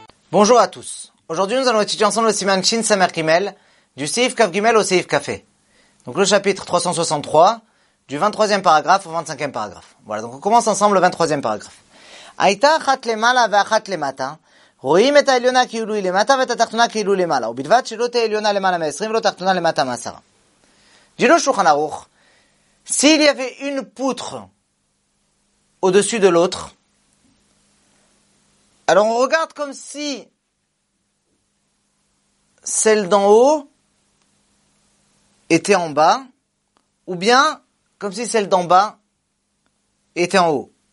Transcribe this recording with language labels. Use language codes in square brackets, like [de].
[fr] Bonjour à tous. Aujourd'hui, nous allons étudier ensemble le Siman Shin Samer Gimel du Seif Kaf Gimel au Seif Kafé. Donc le chapitre 363 du 23e paragraphe au 25e paragraphe. Voilà, donc on commence ensemble le 23e paragraphe. [he] Aïta achat lemala ve achat lemata. רואים את העליונה כאילו היא למטה ואת התחתונה כאילו למעלה, ובלבד שלא תהיה עליונה למעלה מ-20 ולא תחתונה למטה מ-10. דינו שולחן ערוך, [fr] s'il y avait une poutre au-dessus de l'autre, alors on regarde comme si celle d'en haut était en bas, ou bien comme si celle d'en bas était en haut.